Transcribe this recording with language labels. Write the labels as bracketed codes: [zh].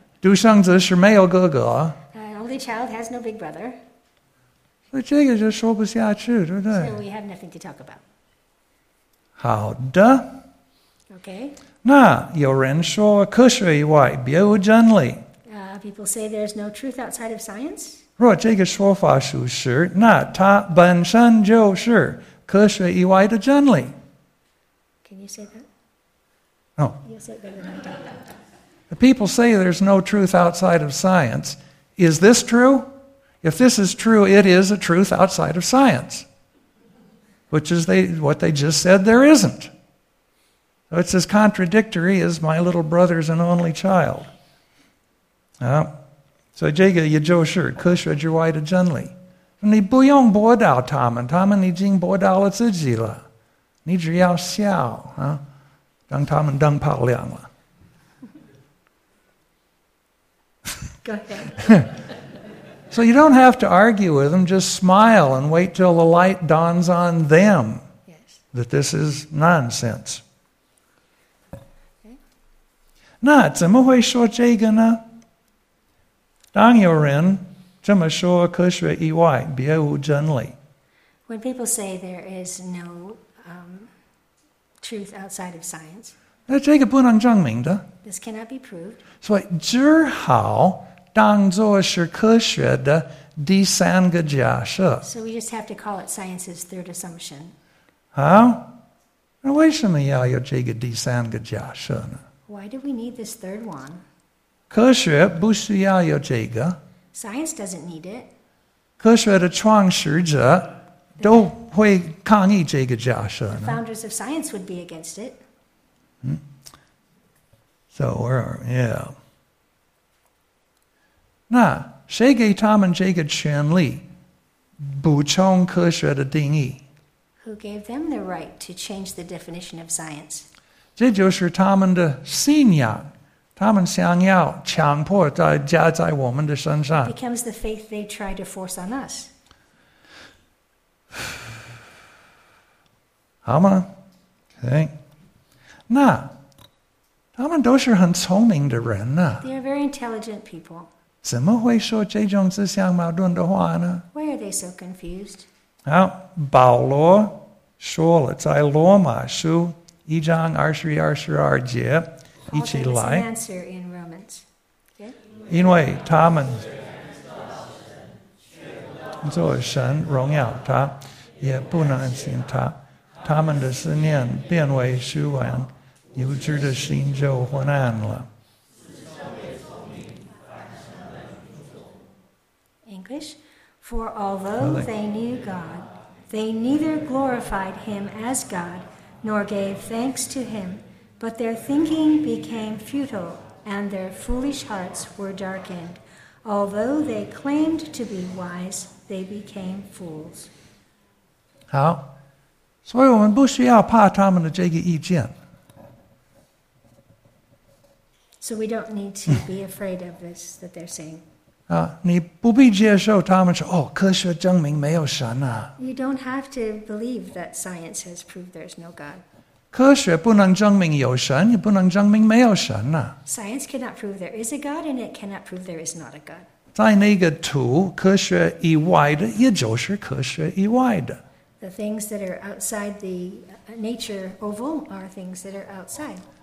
[zh] 独生子是没有哥哥啊。 [en] Only child has no big brother. [zh] 所以这个就说不下去，对不对？ [en] So we have nothing to talk about. [zh] 好的。 [en] Okay. [zh] 那有人说科学以外别无真理。 [en] People say there's no truth outside of science. [zh] 若这个说法属实，那它本身就是科学以外的真理。 [en] Can you say that? No. You'll say it better than I do. The people say there's no truth outside of science. Is this true? If this is true, it is a truth outside of science. Which is what they just said there isn't. So it's as contradictory as my little brother's an only child. [zh] So 这个也就是科学之外的真理。你不用驳倒他们，他们已经驳倒了自己了。你只要笑啊，让他们灯泡亮了。 [en] So you don't have to argue with them, just smile and wait till the light dawns on them that this is nonsense. [zh] Okay. 那怎么会说这个呢？当有人这么说科学以外别无真理。 [en] When people say there is no truth outside of science, [zh] 那这个不能证明的。 [en] This cannot be proved. [zh] 所以只好当作是科学的第三个假设。 [en] So we just have to call it science's third assumption. [zh] 好，那为什么要有这个第三个假设呢？ [en] Why do we need this third one? [zh] 科学不需要有这个。 [en] Science doesn't need it. [zh] 科学的创始者都会抗议这个假设呢。 [en] The founders of science would be against it. So where are we? Yeah. [zh] 那谁给他们这个权利补充科学的定义？ [en] Who gave them the right to change the definition of science? [zh] 这就是他们的信仰，他们想要强迫在加在我们的身上。 [en] It becomes the faith they try to force on us. [zh] 好吗？Okay. 那他们都是很聪明的人呢。 [en] They are very intelligent people. [zh] 怎么会说这种自相矛盾的话呢？ [en] Why are they so confused? [zh] 好，保罗说了，在罗马书一章二十一、二十二节，一起来。 [en] Paul gave us an answer in Romans. Okay. [zh] 因为他们做神荣耀他，也不能信他，他们的思念变为虚妄，无知的心就昏暗了。 [en] For although they knew God, they neither glorified Him as God nor gave thanks to Him, but their thinking became futile and their foolish hearts were darkened. Although they claimed to be wise, they became fools. [zh] 好，所以我们不需要怕他们的这个意见。 [en] So we don't need to be afraid of this that they're saying. [zh] 你不必接受他们说哦，科学证明没有神啊。 [en] You don't have to believe that science has proved there's no God. [zh] 科学不能证明有神，也不能证明没有神啊。 [en] Science cannot prove there is a God, and it cannot prove there is not a God. [zh] 在那个图，科学以外的也就是科学以外的。 [en] The things that are outside the nature oval are things that are outside.